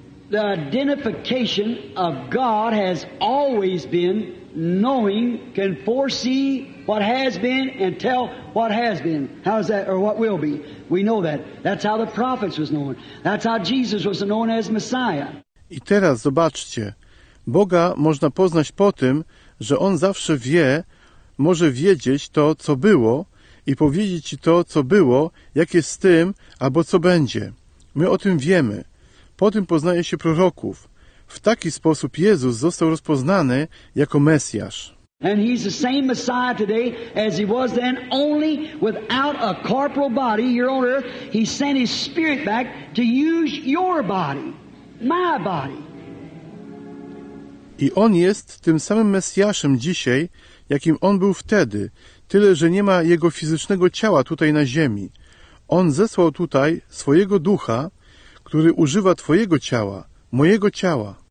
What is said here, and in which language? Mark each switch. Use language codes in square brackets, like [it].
[en] The identification of God has always been knowing, can foresee what has been and tell what has been. How's that, or what will be? We know that. That's how the prophets was known. That's how Jesus was known as Messiah. [pl] I teraz zobaczcie. Boga można poznać po tym, że On zawsze wie, może wiedzieć to, co było, i powiedzieć Ci to, co było, jak jest z tym, albo co będzie. My o tym wiemy. Po tym poznaje się proroków. W taki sposób Jezus został rozpoznany jako Mesjasz. [en] And he's the same Messiah today as he was then, only without a corporal body here on earth. He sent his spirit back to use your body, my body. [pl] I On jest tym samym Mesjaszem dzisiaj, jakim On był wtedy, tyle że nie ma Jego fizycznego ciała tutaj na ziemi. On zesłał tutaj swojego ducha, który używa Twojego ciała, mojego ciała.